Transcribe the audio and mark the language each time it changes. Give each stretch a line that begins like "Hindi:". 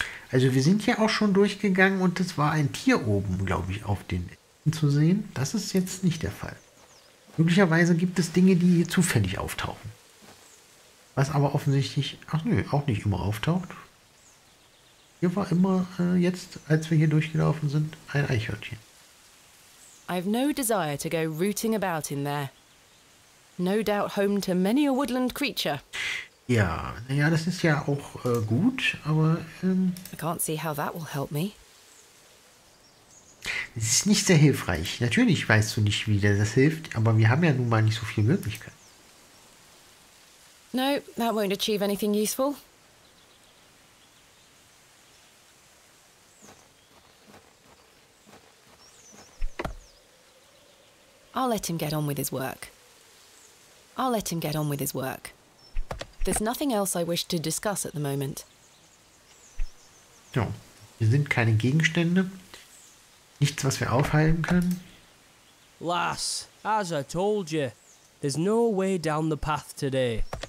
German: Also wir sind ja auch schon durchgegangen und es war ein Tier oben, glaube ich, auf den Enden zu sehen. Das ist jetzt nicht der Fall. Möglicherweise gibt es Dinge, die hier zufällig auftauchen. Was aber offensichtlich, auch nicht immer auftaucht. Hier war immer jetzt, als wir hier durchgelaufen sind, ein Eichhörnchen.
English: I've no desire to go rooting about in there. No doubt home to many a woodland creature.
German: Ja, naja, das ist ja auch gut, aber...
English: I can't see how that will help me.
German: Es ist nicht sehr hilfreich. Natürlich weißt du nicht, wie das hilft, aber wir haben ja nun mal nicht so viele Möglichkeiten.
English: No, that won't achieve anything useful. I'll let him get on with his work. I'll let him get on with his work. There's nothing else I wish to discuss at the moment.
German: Ja, wir sind keine Gegenstände. Nichts, was wir aufhalten können.
English: Lass, as I told you, there's no way down the path today.